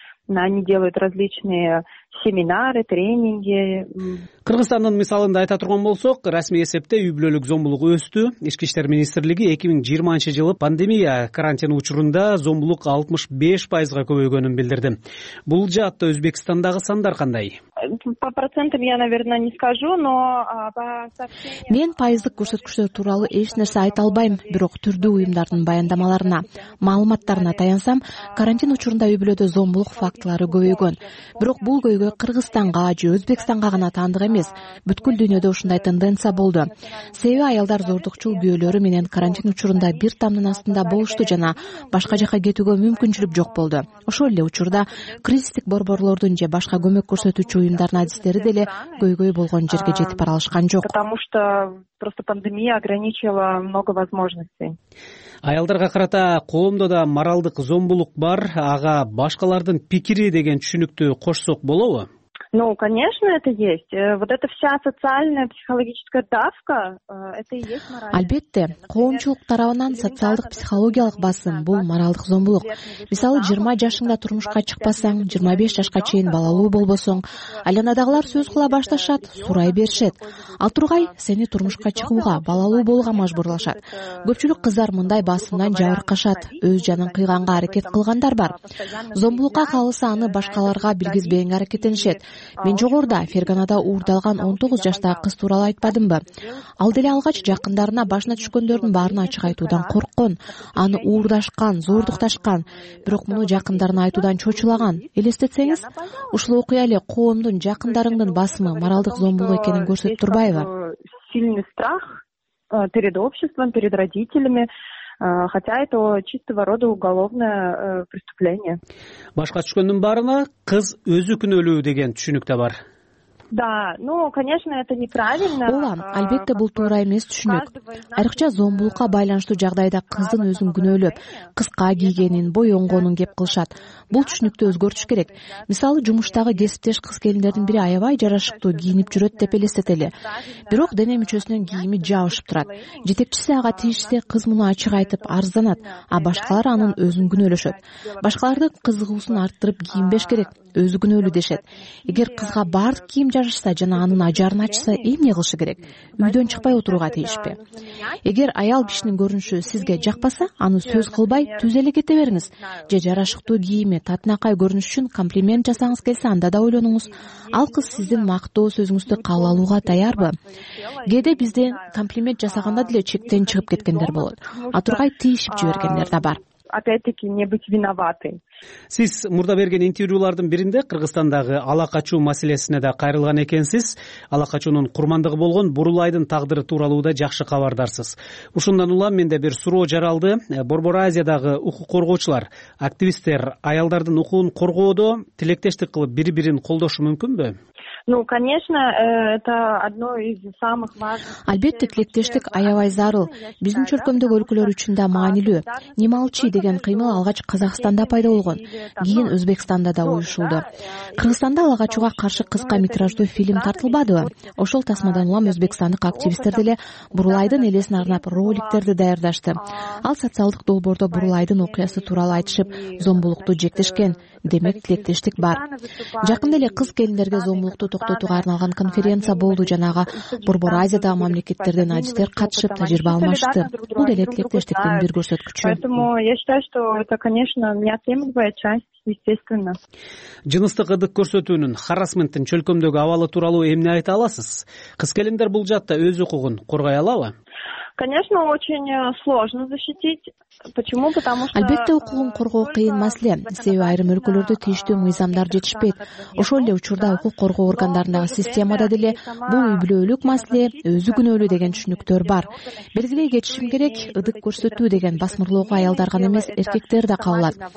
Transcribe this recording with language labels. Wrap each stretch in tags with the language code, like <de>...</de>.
<ru>Они делают различные семинары, тренинги.</ru> <ky>Кыргызстандын мисалында айта турган болсок, расмий эсепте үй бүлөлүк зомбулук өстү. Ички иштер министрлиги 2020 жылы пандемия карантини учурунда зомбулук 65% көбөйгөнүн билдирди. Бул жаатта Өзбекстандагы сандар кандай?</ky> <ru>По процентам я, наверное, не скажу, но по сообщениям.</ru> <ky>Мен пайыздык көрсөткүчтөр тууралуу эч нерсе айта албайм, бирок түрдүү уюмдардын баяндамаларына, маалыматтарына таянсам, карантин учурунда үй бүлөдө зомбулук фактылары көбөйгөн. Бирок бул көйгөй Кыргызстанга же Өзбекстанга гана таандык эмес, бүткүл дүйнөдө ушундай тенденция болду. Себеби аялдар зордукчул күйөөлөрү менен карантин учурунда бир тамдын астында болушту жана башка жака кетүүгө мүмкүнчүлүк жок болду. Ошол эле учурда кризистик борборлордун же башка көмөк көрсөтүүчү уюмдардын адистери деле көйгөй болгон жерге жетип бара алышкан жок.</ky> <ru>Потому что просто пандемия ограничила много возможностей.</ru> <ky>Аялдарга карата коомдо да моралдык зомбулук бар, ага башкалардын пикири деген түшүнүктү кошсок болобу?</ky> <ru>Ну, конечно, это есть. Вот эта вся социальная психологическая давка, это и есть моральная.</ru> <ky>Албетте, коомчулук тарабынан социалдык психологиялык басым, бул моралдык зомбулук. Мисалы, 20 жашыңда турмушка чыкпасаң, 25 жашка чейин балалуу болбосоң, айланадагылар сөз кыла башташат, сурай беришет. Ал тургай, сени турмушка чыгууга, балалуу болууга мажбурлашат. Көпчүлүк кыздар мындай басымдан жабыркашат, өз жанын кыйганга аракет кылгандар бар. Зомбулукка калса, аны башкаларга билгизбеген аракетинишет. Мен жогоруда Ферганада уурдалган 19 жаштагы кыз тууралуу айтпадымбы? Ал деле алгач жакындарына башына түшкөндөрдүн баарын ачык айтуудан корккон, аны уурдашкан, зордукташкан, бирок муну жакындарына айтуудан чочулаган. Элестетсеңиз, ушул окуя эле коомдун жакындарыңдын басымы моралдык зомбулук экенин көрсөтүп турбайбы?</ky> <ru>Сильный страх перед обществом, перед родителями. Хотя это чистого рода уголовное преступление.</ru> <ky>Башка түшкөндүн баарына кыз өзү күнөлүү деген түшүнүк да бар.</ky> <ru>Да, ну, конечно, это неправильно.</ru> <ky>Ооба, албетте бул туура эмес түшүнүк. Айрыкча зомбулукка байланыштуу жагдайда кыздын өзүн күнөөлөп, кыска кийгенин, боёнгонун кеп кылышат. Бул түшүнүктү өзгөртүш керек. Мисалы, жумуштагы кесиптеш кыз келиндердин бири аябай жарашыктуу кийинип жүрөт деп элестетели. Бирок дене мүчөсүнүн кийими жабышып турат. Жетекчиси ага тийишсе, кыз муну ачык айтып арызданат, а башкалар анын өзүн күнөөлөшөт. Башкалардын кызыгуусун арттырып кийинбеш керек. Өзү күнөөлүү дешет. Эгер кызга баардык кийим жарышса жана анын ажарын ачса, эмне кылышы керек? Үйдөн чыкпай отурууга тийишпи? Эгер аял кишинин көрүнүшү сизге жакпаса, аны сөз кылбай, түз эле кете бериңиз. Же жарашыктуу кийими, татынакай көрүнүш үчүн комплимент жасаңыз келсе, анда да ойлонуңуз. Ал кыз сиздин мактоо сөзүңүздү кабыл алууга даярбы? Кээде бизде комплимент жасаганда деле чектен чыгып кеткендер болот. Атургай тийишип жибергендер да бар.</ky> <ru>Опять-таки, не быть виноватым.</ru> <ky>Сиз мурда берген интервьюлардын биринде Кыргызстандагы ала качуу маселесине да кайрылган экенсиз. Ала качуунун курмандыгы болгон Бурулайдын тагдыры тууралуу да жакшы кабардарсыз. Ушундан улам менде бир суроо жаралды. Борбор Азиядагы укук коргоочулар, активисттер аялдардын укугун коргоодо тилектештик кылып бири-бирин колдошу мүмкүнбү?</ky> <ru>Ну, конечно, это одно из самых важных.</ru> <ky>Албетте, тилектештик аябай зарыл. Биздин чөркөмдөгү өлкөлөр үчүн да маанилүү. Немалчи деген кыймыл алгач Казакстанда пайда болгон, кийин Өзбекстанда да уюшулду. Кыргызстанда ала качууга каршы кыска метраждуу фильм тартылбадыбы? Ошол тасмадан улам өзбекстандык активисттер деле Бурулайдын элесин арнап роликтерди даярдашты. Ал социалдык долбоордо Бурулайдын окуясы тууралуу айтышып, зомбулукту жектешкен. Демек, тилектештик бар. Жакында эле кыз келиндерге зомбулукту токтотууга арналган конференция болду жана ага Борбор Азиядагы мамлекеттерден адистер катышып, тажрыйба алмашты. Бул деле тилектештиктин бир көрсөткүчү.</ky> <ru>Поэтому я считаю, что это, конечно, неотъемлемая часть.</ru> <ky>Жыныстык ыдык көрсөтүүнүн харассменттин чөлкөмдөгү абалы тууралуу эмне айта аласыз? Кыз келиндер бул жаатта өз укугун коргой алабы?</ky> <ru>Конечно, очень сложно защитить. Почему? Потому что</ru> <ky>албетте укугун коргоо кыйын маселе. Себеби айрым өлкөлөрдө тийиштүү мыйзамдар жетишпейт. Ошол эле учурда укук коргоо органдарындагы системада деле бул үй бүлөлүк маселе, өзү күнөөлүү деген түшүнүктөр бар. Белгилей кетишим керек, ыдык көрсөтүү деген басмырлоого аялдар гана эмес, эркектер да кабылат.</ky>